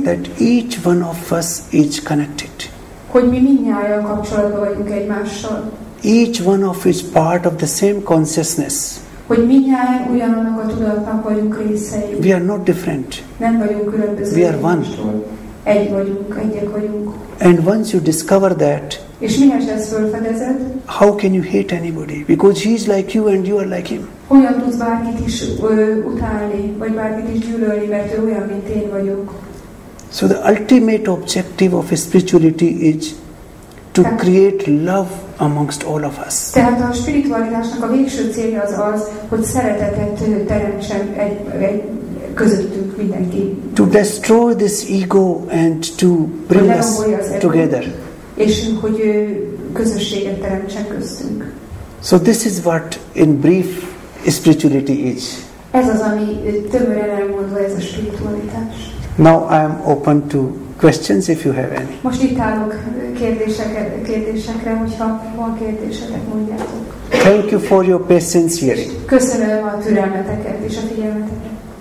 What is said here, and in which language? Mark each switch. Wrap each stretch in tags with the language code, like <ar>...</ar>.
<en>that each one of us is connected.</en> <hu>Hogy mi mindnyájan kapcsolatban vagyunk egymással.</hu> <en>Each one of us part of the same consciousness.</en> <hu>Hogy mindnyájan ugyanannak a tudatnak vagyunk részei.</hu> <en>We are not different.</en> <hu>Nem vagyunk különbözők.</hu> <en>We are one.</en> <hu>Egyek vagyunk.</hu> <en>And once you discover that,</en> <hu>és mihez ezt felfedezed?</hu> <en>How can you hate anybody? Because he is like you and you are like him.</en> <hu>Hogyan tudsz bárkit is utálni, vagy bárkit is gyűlölni, mert ő olyan, mint én vagyok.</hu> <en>So the ultimate objective of spirituality is to create love amongst all of us.</en> <hu>Tehát a spiritualitásnak a végső célja az, hogy szeretetet teremtsen egy közöttünk mindenki.</hu> <en>To destroy this ego and to bring us together.</en> <hu>És hogy közösséget teremtsen köztünk.</hu> <en>So this is what, in brief, spirituality is.</en> <hu>Ez az, ami tömören elmondva, ez a spiritualitás.</hu> <en>Now I am open to questions if you have any.</en> <hu>Most itt állok kérdésekre, hogyha van kérdésetek, mondjátok.</hu> <en>Thank you for your patience hearing.</en> <hu>Köszönöm a türelmeteket és a figyelmeteket.</hu>